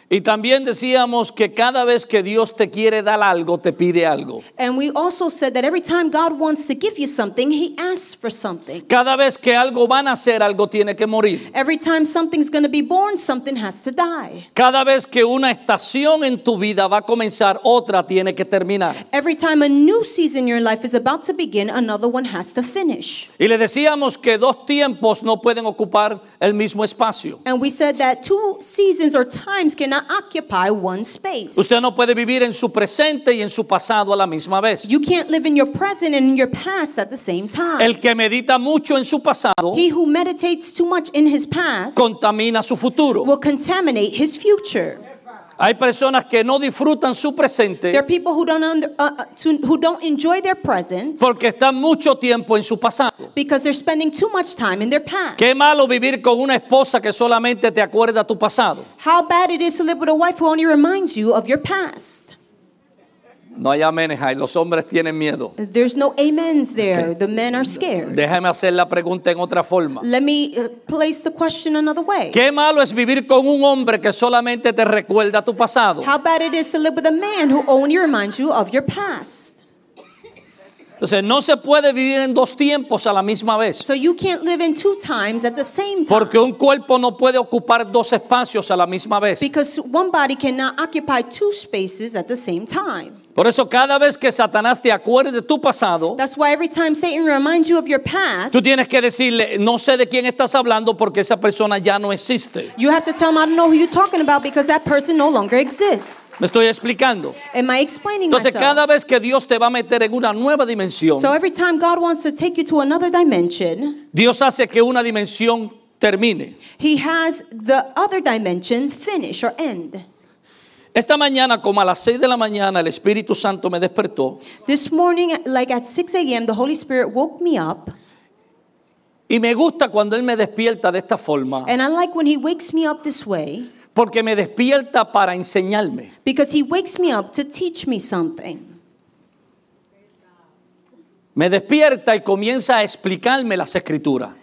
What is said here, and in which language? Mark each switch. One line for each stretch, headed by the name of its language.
Spanish: Y también decíamos que cada vez que Dios te quiere dar algo, te pide algo.
English: And we also said that every time God wants to give you something, he asks for something.
Spanish: Cada vez que algo van a hacer, algo tiene que morir.
English: Every time something's going to be born, something has to die.
Spanish: Cada vez que una estación en tu vida va a comenzar, otra tiene que terminar.
English: Every time a new season in your life is about to begin, another one has to finish.
Spanish: Y le decíamos que dos tiempos no pueden ocupar el mismo espacio.
English: And we said that two seasons or times cannot occupy one space.
Spanish: Usted no puede vivir en su presente y en su pasado a la misma vez.
English: You can't live in your present and in your past at the same time.
Spanish: El que medita mucho en su pasado,
English: he who meditates too much in his past,
Spanish: contamina su futuro,
English: will contaminate his future.
Spanish: Hay personas que no disfrutan su presente.
English: There are people who don't enjoy their present.
Spanish: Porque están mucho tiempo en su pasado.
English: Because they're spending too much time in their past.
Spanish: Qué malo vivir con una esposa que solamente te acuerda tu pasado.
English: How bad it is to live with a wife who only reminds you of your past.
Spanish: No hay amenes ahí. Los hombres tienen miedo.
English: There's no amens there. Okay. The men are scared.
Spanish: Déjame hacer la pregunta en otra forma.
English: Let me place the question another way.
Spanish: ¿Qué malo es vivir con un hombre que solamente te recuerda tu pasado?
English: How bad it is to live with a man who only reminds you of your past.
Spanish: Entonces, no se puede vivir en dos tiempos a la misma vez.
English: So you can't live in two times at the same time.
Spanish: Porque un cuerpo no puede ocupar dos espacios a la misma vez.
English: Because one body cannot occupy two spaces at the same time.
Spanish: Por eso cada vez que Satanás te acuerde de tu pasado,
English: that's why every time Satan reminds you of your past,
Spanish: tú tienes que decirle, no sé de quién estás hablando porque esa persona ya no existe.
English: You have to tell him, I don't know who you're talking about because that person no longer exists.
Spanish: ¿Me estoy explicando?
English: Am I explaining
Spanish: Entonces,
English: myself?
Spanish: Cada vez que Dios te va a meter en una nueva dimensión,
English: so every time God wants to take you to another dimension,
Spanish: Dios hace que una dimensión termine.
English: He has the other dimension finish or end.
Spanish: Esta mañana, como a las 6 de la mañana, el Espíritu Santo me despertó.
English: This morning, like at 6 a.m., the Holy Spirit woke me up.
Spanish: Y me gusta cuando Él me despierta de esta forma.
English: And I like when He wakes me up this way.
Spanish: Porque me despierta para enseñarme.
English: Because He wakes me up to teach me something.
Spanish: Me despierta y comienza a explicarme las Escrituras.